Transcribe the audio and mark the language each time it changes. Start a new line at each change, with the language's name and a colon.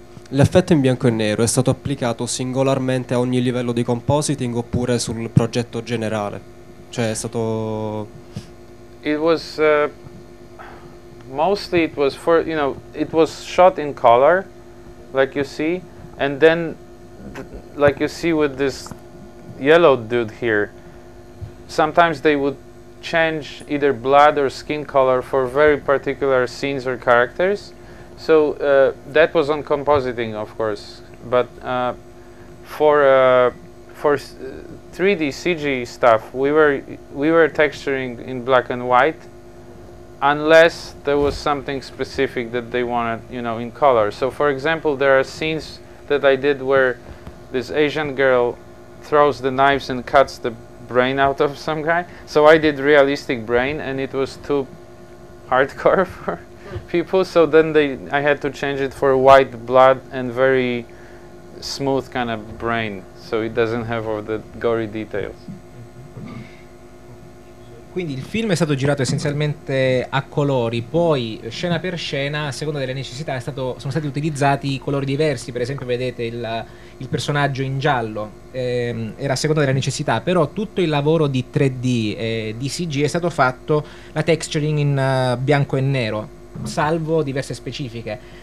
Italian: L'effetto in bianco e nero è stato applicato singolarmente a ogni livello di compositing oppure sul progetto generale? Cioè è stato.
English: It was mostly it was for, you know, it was shot in color, like you see, and then like you see with this yellow dude here, sometimes they would change either blood or skin color for very particular scenes or characters. So that was on compositing, of course, but for 3D CG stuff, we were texturing in black and white, unless there was something specific that they wanted, you know, in color. So for example, there are scenes that I did where this Asian girl throws the knives and cuts the brain out of some guy. So I did realistic brain, and it was too hardcore for people, so then I had to change it for white blood and very smooth kind of brain, so it doesn't have all the gory details.
Italian: Quindi il film è stato girato essenzialmente a colori, poi scena per scena, a seconda delle necessità, sono stati utilizzati colori diversi. Per esempio, vedete il personaggio in giallo, era a seconda delle necessità, però tutto il lavoro di 3D e di CG è stato fatto, la texturing in bianco e nero, salvo diverse specifiche.